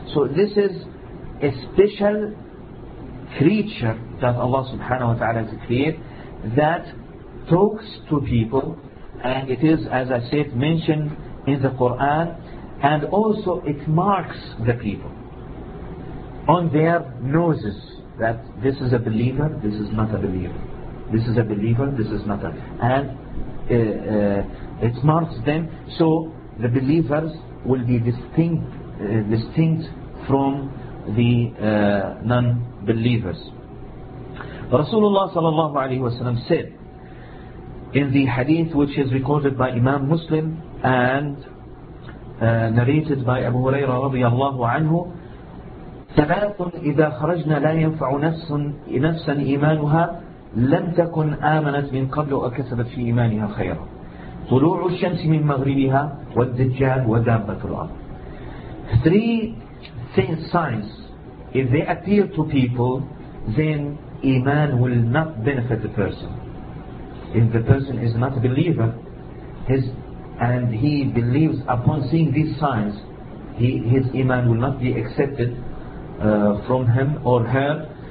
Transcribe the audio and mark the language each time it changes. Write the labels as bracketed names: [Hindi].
[English] So this is a special creature that Allah subhanahu wa ta'ala has created that talks to people, and it is, as I said, mentioned in the Quran, and also it marks the people on their noses that this is a believer, this is not a believer. This is a believer, this is not a believer. And it marks them, so the believers will be distinct from the non-believers. Rasulullah sallallahu alayhi wa sallam said in the hadith which is recorded by Imam Muslim and narrated by Abu Huraira radiyallahu anhu, [Arabic] ثلاث إذا خرجنا لا ينفع نفسا إيمانها لم تكن آمنت من قبل وكسبت في إيمانها خيرا طلوع الشمس من مغربها والدجال ودابة الأرض. [English] Three signs, if they appear to people, then Iman will not benefit the person. If the person is not a believer, and he believes upon seeing these signs, his Iman will not be accepted from him or her.